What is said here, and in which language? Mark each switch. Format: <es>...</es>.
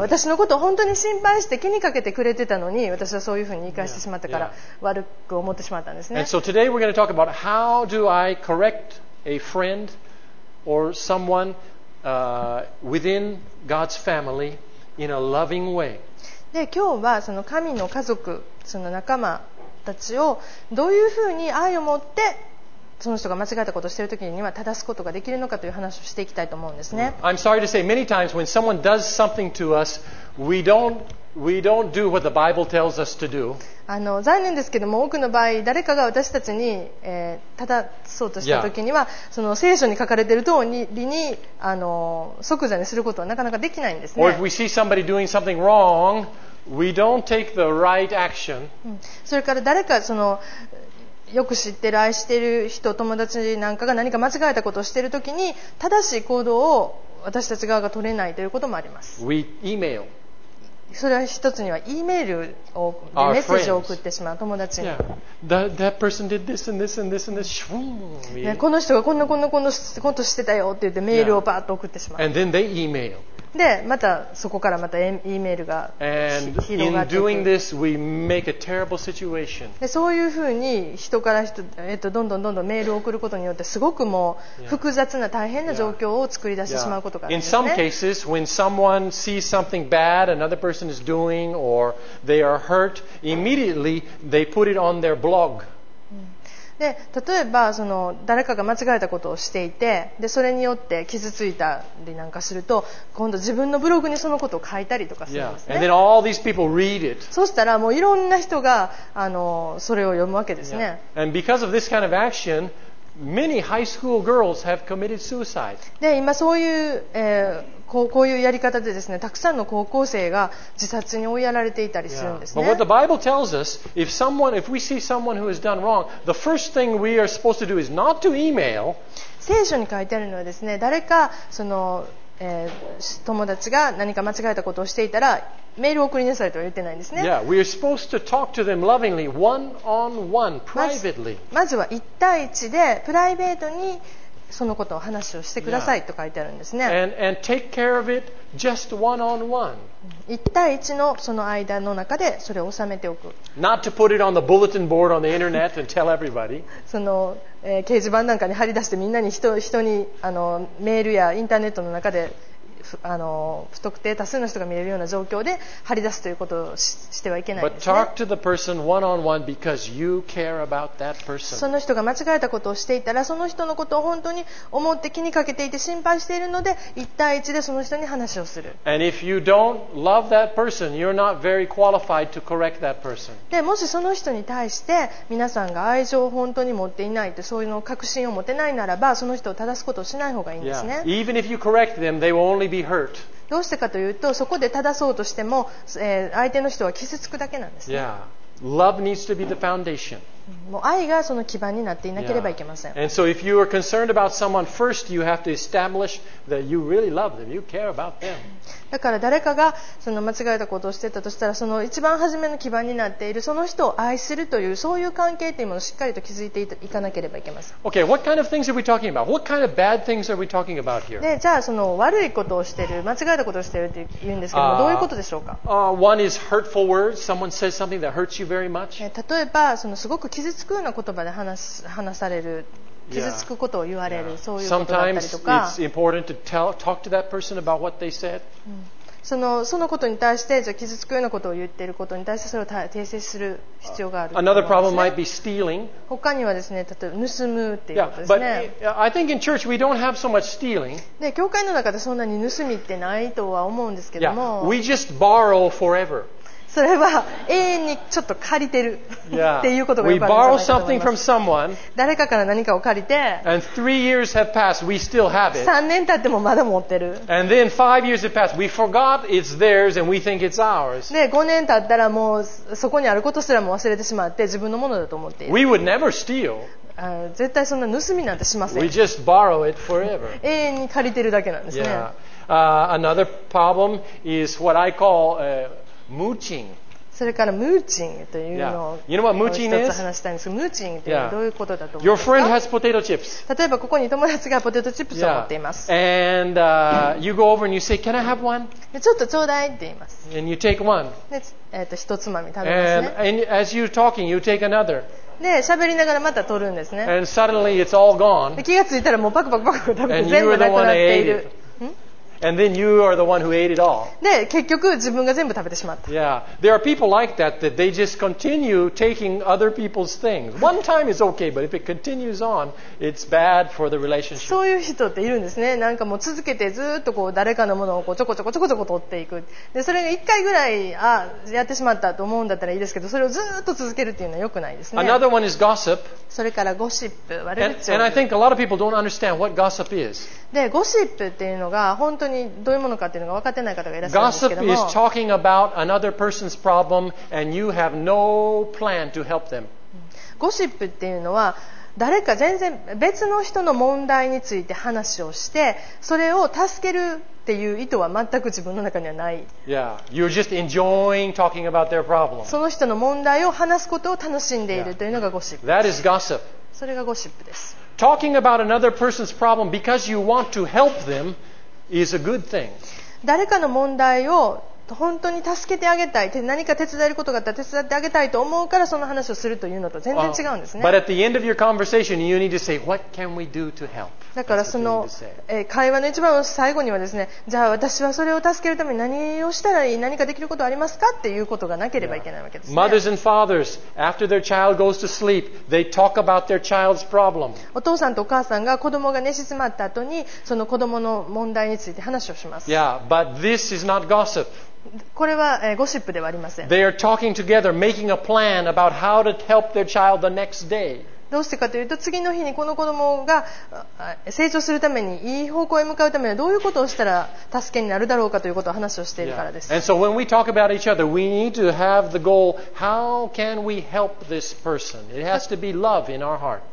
<ja>私のことを本当に心配して気にかけてくれてたのに私はそういうふうに言い返してしまったから悪く思ってしまったんですね。</ja> <en>And so today we're going to talk about how do I correct a friend or someone within God's family in a loving way.</en> <ja>で今日はその神の家族その仲間たちをどういうふうに愛を持ってその人が間違ったことをしているときには正すことができるのかという話をしていきたいと思うんですね。</ja> <en>I'm sorry to say many times when someone does something to us, we don't do what the Bible tells us to do.</en> <ja>残念ですけども多くの場合誰かが私たちに、正そうとしたときには、yeah. その聖書に書かれている通りに即座にすることはなかなかできないんですね。</ja> <en>Or if we see somebody doing something wrong, we don't take the right action.</en> <ja>それから誰かそのよく知ってる愛してる人友達なんかが何か間違えたことをしているときに正しい行動を私たち側が取れないということもあります。</ja> <en>We email.</en> <ja>それは一つには E メールをメッセージを送ってしまう友達に、 yeah.</ja> <en>that person did this and this and this and this.</en> <ja>この人がこんなこんなこんなことしてたよって言ってメールをバーッと送ってしまう、</ja> <en>yeah. And then they email.</en> <ja>でまたそこからまた E メールが広がっていく。そういうふうに人から人、どんどんどんどんメールを送ることによってすごくもう複雑な大変な状況を作り出してしまうことがあるんですね。</ja> <en>In some cases, when someone sees something bad another person is doing or they are hurt, immediately they put it on their blog.</en> <ja>で例えばその誰かが間違えたことをしていてでそれによって傷ついたりなんかすると今度自分のブログにそのことを書いたりとかするんですね。</ja> <en>Yeah. And then all these people read it.</en> <ja>そしたらもういろんな人がそれを読むわけですね。 Yeah.</ja> <en>And because of this kind of action, many high school girls have committed suicide.</en> <ja>で今そういう、こういうやり方でですねたくさんの高校生が自殺に追いやられていたりするんですね。</ja> <en>But what the Bible tells us, if we see someone who has done wrong, the first thing we are supposed to do is not to email.</en> <ja>聖書に書いてあるのはですね誰かその、友達が何か間違えたことをしていたらメールを送りなさいとは言ってないんですね。</ja> <en>Yeah, we are supposed to talk to them lovingly, one on one, privately.</en> <ja>まずは一対一でプライベートにそのことを話をしてくださいと書いてあるんですね。</ja> <en>and take care of it just one on one.</en> <ja>一対一のその間の中でそれを収めておく。</ja> <en>Not to put it on the bulletin board on the internet and tell everybody.</en> <ja>その、掲示板なんかに貼り出してみんなに 人にメールやインターネットの中で不特定多数の人が見れるような状況で貼り出すということを してはいけないですね。その人が間違えたことをしていたらその人のことを本当に思って気にかけていて心配しているので一対一でその人に話をする。</ja> <en>And if you don't love that person, you're not very qualified to correct that person.</en> <ja>でもしその人に対して皆さんが愛情を本当に持っていないとそういうの確信を持てないならばその人を正すことをしない方がいいんですね。 Yeah.</ja> <en>Even if you correct them, they will only</en> <ja>どうしてかというとそこで正そうとしても、相手の人は傷つくだけなんですね。</ja> <en>Yeah. Love needs to be the foundation.</en> <ja>もう愛がその基盤になっていなければいけません。</ja> <en>Yeah. And so if you are concerned about someone first, you have to establish that you really love them, you care about them.</en> <ja>だから誰かがその間違えたことをしてたとしたらその一番初めの基盤になっているその人を愛するというそういう関係というものをしっかりと築いていかなければいけません。</ja> <en>Okay, what kind of things are we talking about? What kind of bad things are we talking about here?</en> <ja>でじゃあその悪いことをしている間違えたことをしているというんですけどどういうことでしょうか。</ja> <en>One is hurtful words. Someone says something that hurts you very much.</en> <ja>例えばそのすごく傷つくような言葉で話される傷つくことを言われる、そういうことだったりとか。</ja> <en>Sometimes it's important to talk to that person about what they said.</en> <ja>そのことに対して、じゃあ傷つくようなことを言っていることに対してそれを訂正する必要がある</ja> <en>ね。Another problem might be stealing.</en> <ja>他にはですね、例えば盗むっていうことですね。</ja> <en>Yeah, but I think in church we don't have so much stealing.</en> <ja>で、教会の中でそんなに盗みってないとは思うんですけども。</ja> <en>Yeah, we just borrow forever.</en> <ja>それは永遠にちょっと借りてるっていうことがよくあるんじゃないかと思います。誰かから何かを借りて</ja> <en>3 years have passed, we still have it.</en> <ja>3年経ってもまだ持ってる。</ja> <en>And then 5 years have passed, we forgot it's theirs and we think it's ours.</en> <ja>5年経ったらもうそこにあることすらも忘れてしまって自分のものだと思っている。</ja> <en>We would never steal.</en> <ja>絶対そんな盗みなんてしません。</ja> <en>We just borrow it forever.</en> <ja>永遠に借りてるだけなんですね。</ja> <en>Yeah. Another problem is what I call mooching.</en> <ja>それからムーチングというのを、</ja> <en>yeah. You know what mooching is?</en> <ja>一つ話したいんですけど、ムーチングってどういうことだと思いますか?</ja> <en>Your friend has potato chips.</en> <ja>例えばここに友達がポテトチップスを持っています。 Yeah.</ja> <en>And you go over and you say, can I have one?</en> <ja>でちょっとちょうだいって言います。</ja> <en>And you take one.</en> <ja>で、一つまみ食べますね。</ja> <en>And as you're talking, you take another.</en> <ja>で喋りながらまた取るんですね。</ja> <en>And suddenly it's all gone.</en> <ja>で気がついたらもうパクパクパク食べて全部なくなっている。</ja> <en>And then you are the one who ate it all.</en> <ja>で結局自分が全部食べてしまった。</ja> <en>Yeah, there are people like that that they just continue taking other people's things. One time is okay, but if it continues on, it's bad for the relationship.</en> <ja>そういう人っているんですね。なんかもう続けてずっとこう誰かのものをこうちょこちょこちょこちょこ取っていく。でそれが一回ぐらいあやってしまったと思うんだったらいいですけど、それをずっと続けるっていうのは良くないですね。</ja> <en>Another one is gossip.</en> <ja>それからゴシップ、悪口。</ja> <en>And I think a lot of people don't understand what gossip is.</en> <ja>でゴシップっていうのが本当本当にどういうものかっていうのが分かってない方がいらっしゃるんですけども</ja> <en>Gossip is talking about another person's problem and you have no plan to help them.</en> <ja>ゴシップっていうのは誰か全然別の人の問題について話をしてそれを助けるっていう意図は全く自分の中にはない。</ja> <en>Yeah, you're just enjoying talking about their problem.</en> <ja>その人の問題を話すことを楽しんでいるというのがゴシップ。</ja> <en>That is gossip.</en> <ja>それがゴシップです。</ja> <en>Talking about another person's problem because you want to help themis a good thing.</en> <ja>誰かの問題を本当に助けてあげたい、何か手伝えることがあったら手伝ってあげたいと思うからその話をするというのと全然違うんですね。</ja> <en>But at the end of your conversation, you need to say, "What can we do to help?"</en> <ja>だからその会話の一番の最後にはですね、じゃあ私はそれを助けるために何をしたらいい、何かできることありますかっていうことがなければいけないわけですね。</ja> <en>Mothers and fathers, after their child goes to sleep, they talk about their child's problem.</en> <ja>お父さんとお母さんが子供が寝静まった後にその子供の問題について話をします。</ja> <en>Yeah, but this is not gossip.</en> <ja>これは、ゴシップではありません。</ja> <en>They are talking together, making a plan about how to help their child the next day.</en> <ja>どうしてかというと、次の日にこの子供が成長するために、いい方向へ向かうためにどういうことをしたら助けになるだろうかということを話をしているからです。 Yeah.</ja> <en>And so when we talk about each other, we need to have the goal, how can we help this person? It has to be love in our heart.</en>